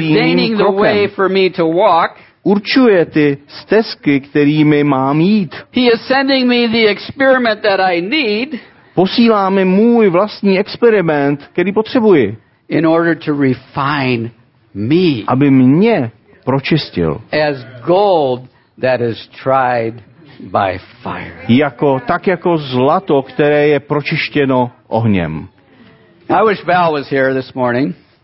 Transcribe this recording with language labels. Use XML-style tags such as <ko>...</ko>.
<en>He's ordaining the way for me to walk.</en> <cs>Určuje ty stezky, kterými mám jít.</cs> <en>He is sending me the experiment that I need.</en> <cs>Posílá mi můj vlastní experiment, který potřebuji.</cs> <en>In order to refine me.</en> <cs>Aby mě pročistil.</cs> <en>As gold that is tried by fire.</en> <cs>Tak jako zlato, které je pročištěno ohněm.</cs> <en>I wish Val was here this morning.</en>